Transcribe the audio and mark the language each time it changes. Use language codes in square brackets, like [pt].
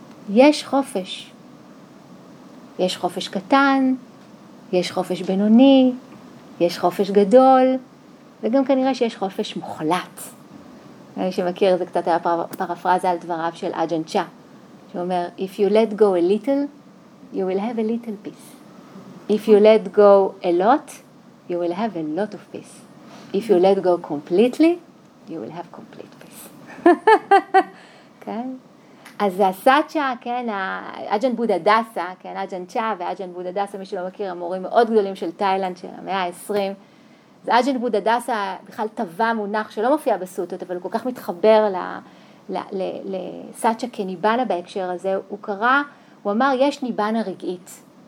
[he] יש חופש. יש חופש קטן, יש חופש בינוני, יש חופש גדול, וגם כנראה שיש חופש מוחלט. אני שמכיר, זה קצת היה פרפרזה על דבריו של אג'ן צ'ה, שאומר, [en] if you let go a little, you will have a little peace. If you let go a lot, you will have a lot of peace. If you let go completely, you will have complete peace. [he] כן? אז הסאצ'ה, כן, אג'ן בודה דאסה, כן, אג'ן צ'ה ואג'ן בודה דאסה, מי שלא מכיר, המורים מאוד גדולים של תאילנד של המאה ה-20, אז אג'ן בודה דאסה בכלל טבע מונח שלא מופיע בסוטות, אבל הוא כל כך מתחבר לסאצ'ה כניבנה בהקשר הזה, הוא קרא, הוא אמר, יש ניבנה רגעית.